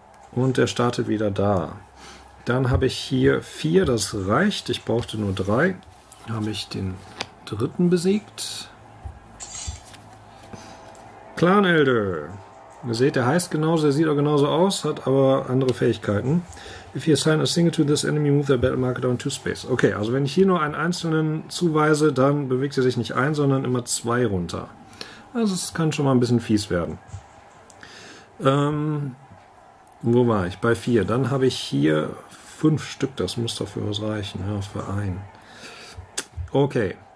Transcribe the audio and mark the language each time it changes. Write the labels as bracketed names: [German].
[German] Und der startet wieder da. Dann habe ich hier 4, das reicht. Ich brauchte nur 3. Dann habe ich den dritten besiegt. Clan Elder. Ihr seht, der heißt genauso, der sieht auch genauso aus, hat aber andere Fähigkeiten. [English] If you assign a single to this enemy, move their battle marker down 2 space. [German] Okay, also wenn ich hier nur einen einzelnen zuweise, dann bewegt er sich nicht ein, sondern immer 2 runter. Also es kann schon mal ein bisschen fies werden. Wo war ich? Bei 4. Dann habe ich hier 5 Stück, das muss doch für was reichen. Ja, für einen. Okay.